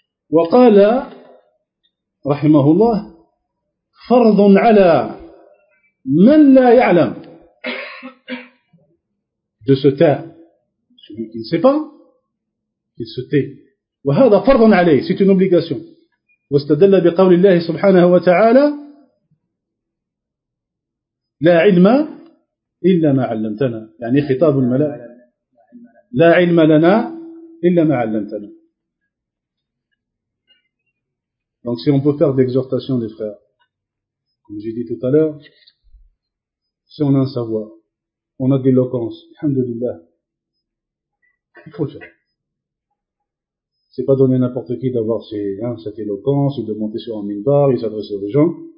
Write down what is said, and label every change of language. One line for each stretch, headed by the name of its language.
Arabic: وقال رحمه الله فرض على من لا يعلم
French: de se taire, celui qui ne sait pas qu'il se tait.
Arabic: وهذا فرض عليه,
French: c'est une obligation.
Arabic: واستدل بقول الله سبحانه وتعالى لا علم إلا ما علمتنا, يعني خطاب الملائكة, لا علم لنا إلا ما علمتنا.
French: Donc si on peut faire d'exhortation les frères, comme j'ai dit tout à l'heure, si on a un savoir, on a de l'éloquence, alhamdoulilah, il faut le faire. C'est pas donné à n'importe qui d'avoir cette éloquence, ou de monter sur un minbar et s'adresser aux gens.